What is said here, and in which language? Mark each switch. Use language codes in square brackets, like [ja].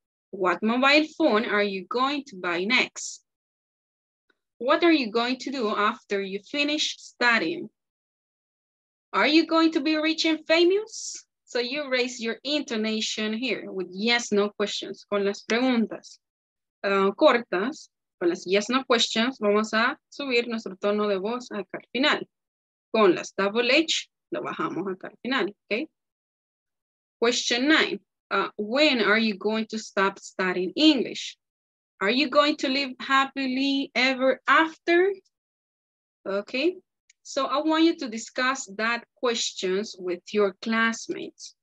[en] What mobile phone are you going to buy next? What are you going to do after you finish studying? Are you going to be rich and famous? So you raise your intonation here with yes, no questions. [es] Con las preguntas cortas, con las [en] yes, no questions, [es] vamos a subir nuestro tono de voz acá al final. Con las double H, lo bajamos acá al final, okay? [en] Question 9, when are you going to stop studying English? Are you going to live happily ever after? Okay. So I want you to discuss that questions with your classmates.